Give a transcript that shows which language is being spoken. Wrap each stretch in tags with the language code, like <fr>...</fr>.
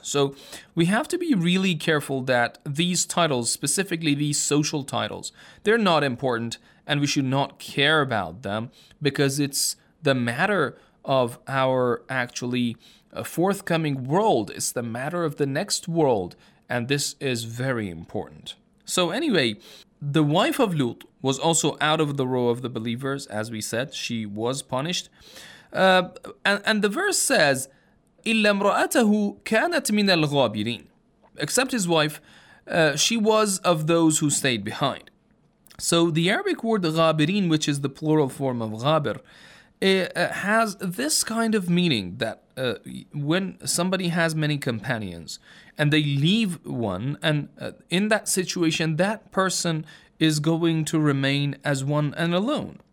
<en>So we have to be really careful that these titles, specifically these social titles, they're not important, and we should not care about them, because it's the matter of our actually forthcoming world. It's the matter of the next world, and this is very important. So anyway, the wife of Lut was also out of the row of the believers, as we said. She was punished. And the verse says,</en> <ar>إِلَّا امْرَأَتَهُ كَانَتْ مِنَ الْغَابِرِينَ.</ar> <en>Except his wife, she was of those who stayed behind. So the Arabic word غابرين, which is the plural form of غابر, has this kind of meaning, that when somebody has many companions and they leave one, and in that situation, that person is going to remain as one and alone.</en>